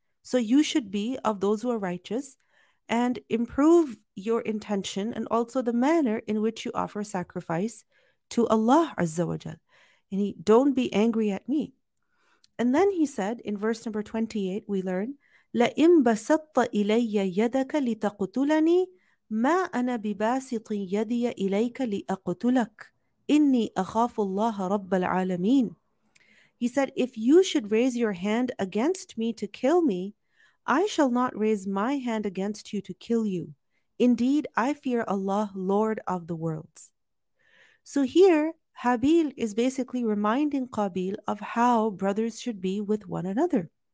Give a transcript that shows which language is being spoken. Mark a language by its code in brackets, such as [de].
[en] So you should be of those who are righteous and improve your intention and also the manner in which you offer sacrifice to Allah Azza wa Jal. And don't be angry at me. And then he said, in verse number 28, we learn, [ar] لئن بسطت إلي يدك لتقتلني ما أنا بباسط يدي إليك لأقتلك إني أخاف الله رب العالمين. [en] He said, if you should raise your hand against me to kill me, I shall not raise my hand against you to kill you. Indeed, I fear Allah, Lord of the worlds. So here, Habil is basically reminding Qabil of how brothers should be with one another.